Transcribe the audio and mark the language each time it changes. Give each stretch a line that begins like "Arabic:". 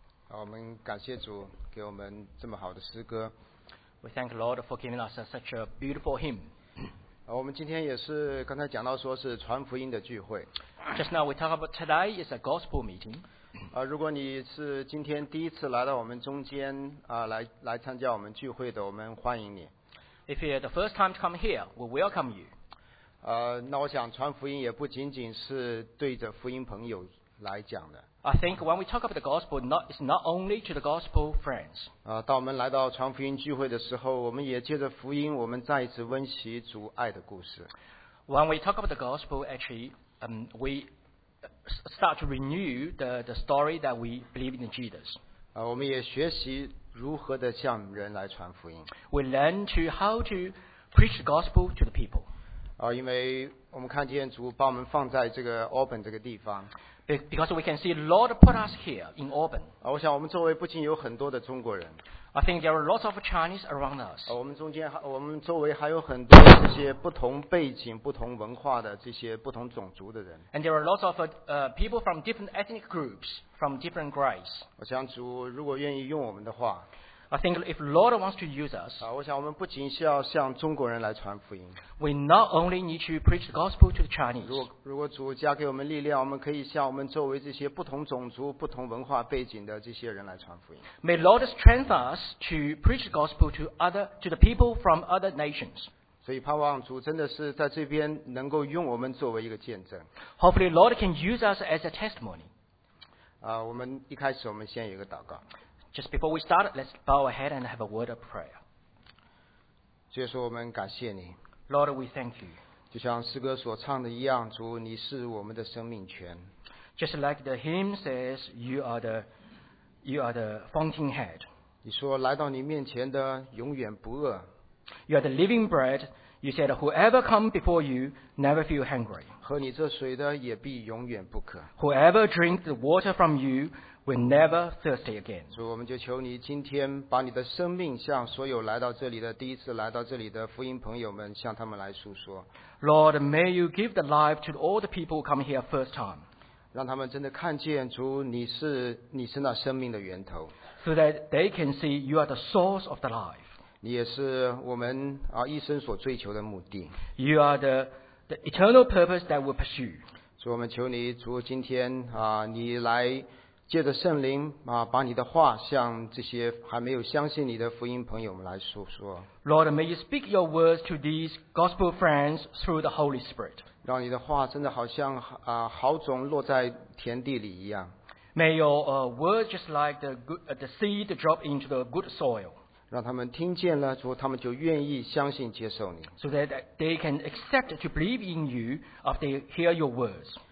Chinese: 我们感谢主给我们这么好的诗歌。
English: We thank the Lord for giving us such a beautiful hymn.
Chinese: 我们今天也是刚才讲到说是传福音的聚会。
English: Just now we talk about today is a gospel meeting.
Chinese: 如果你是今天第一次来到我们中间来参加我们聚会的，我们欢迎你。
English: If you're the first time to come here, we welcome you.
Chinese: 那我想传福音也不仅仅是对着福音朋友来讲的。
English: I think when we talk about the gospel, it's not only to the gospel friends.
Chinese: 当我们来到传福音聚会的时候，我们也借着福音，我们再一次温习主爱的故事。
English: When we talk about the gospel, actually, we start to renew the story that we believe in Jesus.
Chinese: 我们也学习如何的向人来传福音。
English: We learn to how to preach the gospel to the people.
Chinese: 因为我们看见主把我们放在这个 Auburn 这个地方。
English: Because we can see the Lord put us here in Auburn.
Chinese: 我想我们周围不仅有很多的中国人。
English: I think there are lots of Chinese around us.
Chinese: 我们周围还有很多这些不同背景、不同文化的这些不同种族的人。
English: And there are lots of people from different ethnic groups, from different races.
Chinese: 我想主如果愿意用我们的话。
English: I think if the Lord wants to use us,
Chinese: 我想我们不仅需要向中国人来传福音。
English: We not only need to preach the gospel to the Chinese.
Chinese: 如果主加给我们力量，我们可以向我们周围这些不同种族、不同文化背景的这些人来传福音。
English: May the Lord strengthen us to preach the gospel to the people from other nations.
Chinese: 所以盼望主真的是在这边能够用我们作为一个见证。
English: Hopefully the Lord can use us as a testimony.
Chinese: 我们一开始我们先有一个祷告。
English: Just before we start, let's bow our head and have a word of prayer.
Chinese: 主耶稣，我们感谢你。
English: Lord, we thank you.
Chinese: 就像诗歌所唱的一样，主，你是我们的生命泉。
English: Just like the hymn says, you are the fountainhead.
Chinese: 你说来到你面前的永远不饿。
English: You are the living bread. You said, whoever come before you never feel hungry.
Chinese: 喝你这水的也必永远不渴。
English: Whoever drink the water from you. We'll never thirsty again.
Chinese: 主，我们就求你今天把你的生命向所有来到这里的第一次来到这里的福音朋友们，向他们来述说。
English: Lord, may you give the life to all the people who come here first time.
Chinese: 让他们真的看见主，你是那生命的源头。
English: So that they can see you are the source of the life.
Chinese: 你也是我们一生所追求的目的。
English: You are the eternal purpose that we'll pursue.
Chinese: 主，我们求你，主今天你来。借着圣灵把你的话向这些还没有相信你的福音朋友们来述说。
English: Lord, may you speak your words to these gospel friends through the Holy Spirit.
Chinese: 让你的话真的好像好种落在田地里一样。
English: May your words just like the seed drop into the good soil.
Chinese: 让他们听见了，主，他们就愿意相信接受你。
English: So that they can accept to believe in you after they hear your words.